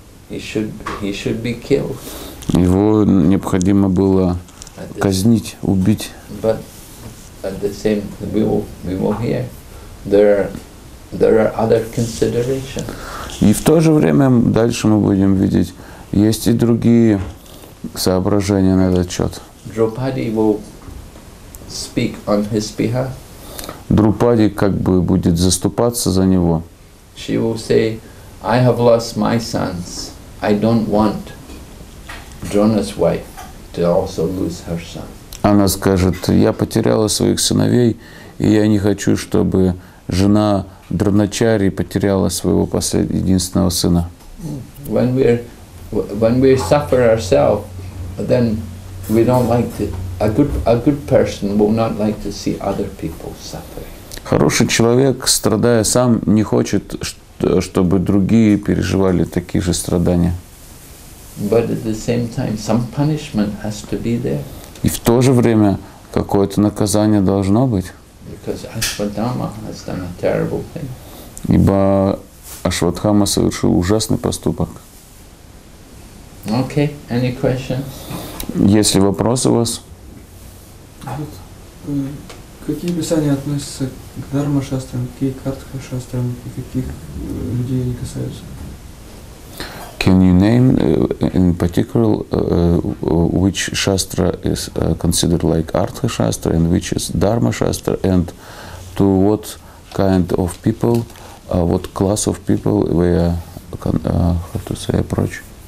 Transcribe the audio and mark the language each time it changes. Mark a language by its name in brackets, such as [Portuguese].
[English] He should be killed. [Russian] Его необходимо было казнить, убить. [English] But at the same time, we will hear. There are other considerations. [Russian] И в то же время дальше мы будем видеть, есть и другие соображения на этот счет. [English] Draupadi will speak on his behalf. [Russian] Друпади как бы будет заступаться за него. [English] She will say, I have lost my sons. I don't want Drona's wife to also lose her son. [Russian] Она скажет, я потеряла своих сыновей, и я не хочу, чтобы жена Дроначари потеряла своего единственного сына. [English] When we suffer ourselves, then we don't like to, a good person will not like to see other people suffering. [Russian] Хороший человек, страдая сам, не хочет, чтобы другие переживали такие же страдания. [English] But at the same time, some punishment has to be there. [Russian] И в то же время какое-то наказание должно быть. [English] Because Ashwatthama has done a terrible thing. [Russian] Ибо Ашватхама совершил ужасный поступок. [English] Okay, any questions? [Russian] Есть ли вопросы у вас? Вот, какие писания относятся к дхармашастрам, какие к артхашастрам и каких людей они касаются? [English] Can you name in particular which shastra is considered like artha shastra and which is dharma shastra and to what kind of people, what class of people we are, how to say, approach?